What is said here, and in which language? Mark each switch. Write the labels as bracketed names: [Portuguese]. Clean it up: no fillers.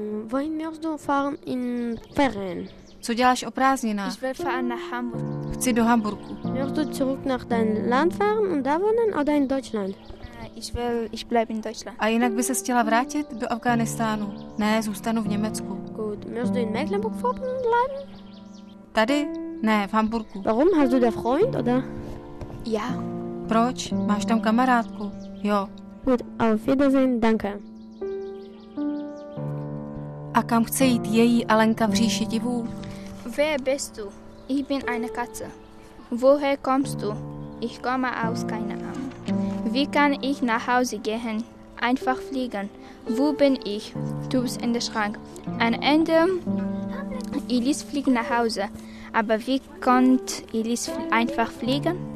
[German] Wohin möchtest du fahren in Ferien? [Czech] Co děláš o prázdninách? [German] Ich will fahren nach Hamburg. [Czech] Chci do Hamburgu. [German] Möchtest du zurück nach dein Land fahren und da wohnen oder in Deutschland? Ich bleibe in Deutschland. [Czech] A jinak by ses chtěla vrátit do Afghánistánu? Ne, zůstanu v Německu. [German] Gut. Möchtest du in Mecklenburg vorhin bleiben? [Czech] Tady? Ne, v Hamburgu. [German] Warum? Hast du da Freund, oder? Ja. [Czech] Proč? Máš tam kamarádku? Jo. [German] Gut, auf Wiedersehen, danke. [Czech] A kam chce jít její Alenka v říši divů? [German] Wer bist du? Ich bin eine Katze. Woher kommst du? Ich komme aus keine Ahnung. Wie kann ich nach Hause gehen? Einfach fliegen. Wo bin ich? Du bist in der Schrank. Ein Ende. Elis fliegt nach Hause. Aber wie konnte Elis einfach fliegen?